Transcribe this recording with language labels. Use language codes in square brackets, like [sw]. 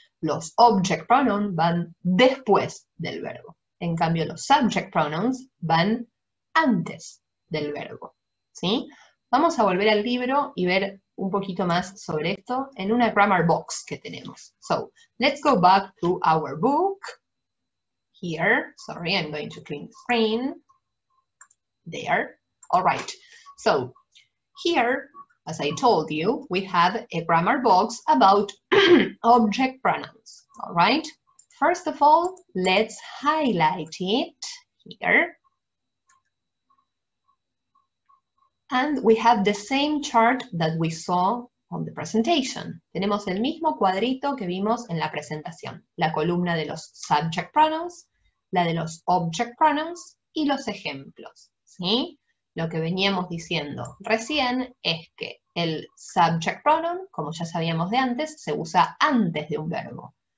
[es] Los object pronouns van después del verbo. En cambio, los subject pronouns van antes del verbo. ¿Sí? Vamos a volver al libro y ver un poquito más sobre esto en una grammar box que tenemos. [en] So, let's go back to our book. Here, sorry, I'm going to clean the screen. There. All right. So, here... As I told you, we have a grammar box about object pronouns, all right? First of all, let's highlight it here. And we have the same chart that we saw on the presentation. [es] Tenemos el mismo cuadrito que vimos en la presentación. La columna de los subject pronouns, la de los object pronouns y los ejemplos, ¿sí? Lo que veníamos diciendo recién es que el subject pronoun, como ya sabíamos de antes, se usa antes de un verbo.